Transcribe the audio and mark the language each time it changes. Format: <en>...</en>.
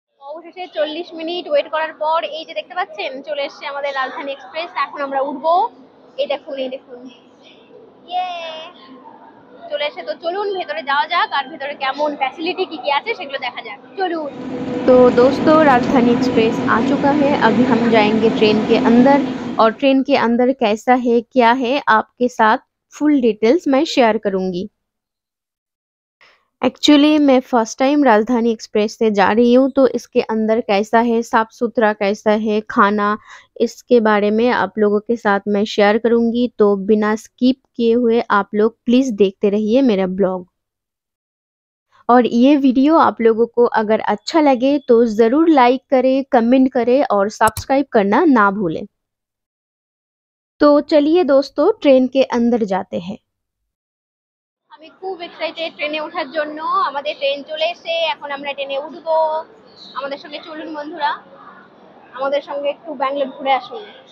<bn>অবশেষে 40 minute wait করার পর এই যে দেখতে পাচ্ছেন, চলে এসছে আমাদের রাজধানী এক্সপ্রেস, এখন আমরা উঠবো। এই দেখুন, এই দেখুন, ইয়ে চলে এসে। তো চলুন ভেতরে যাওয়া যাক, আর ভেতরে কেমন ফ্যাসিলিটি কি কি আছে সেগুলো দেখা যাক, চলুন।</bn> <hi>তো দোস্ত, রাজধানী এক্সপ্রেস আ চুকা হ্যায়, আবি হাম জায়েঙ্গে ট্রেন কে অন্দর, और ट्रेन के अंदर कैसा है, क्या है, आपके साथ फुल डिटेल्स मैं शेयर करूंगी। एक्चुअली मैं फर्स्ट टाइम राजधानी एक्सप्रेस से जा रही हूं, तो इसके अंदर कैसा है, साफ सुथरा कैसा है, खाना, इसके बारे में आप लोगों के साथ मैं शेयर करूंगी। तो बिना स्किप किए हुए आप लोग प्लीज देखते रहिए मेरा ब्लॉग। और ये वीडियो आप लोगों को अगर अच्छा लगे तो ज़रूर लाइक करें, कमेंट करें और सब्सक्राइब करना ना भूलें। तो चलिए दोस्तों ट्रेन के अंदर जाते हैं।</hi> <bn>আমি খুব এক্সাইটেড ট্রেনে ওঠার জন্য, আমাদের ট্রেন চলে এসে, এখন আমরা ট্রেনে উঠবো, আমাদের সঙ্গে চলুন বন্ধুরা, আমাদের সঙ্গে একটু ব্যাঙ্গালোর ঘুরে আসুন।</bn>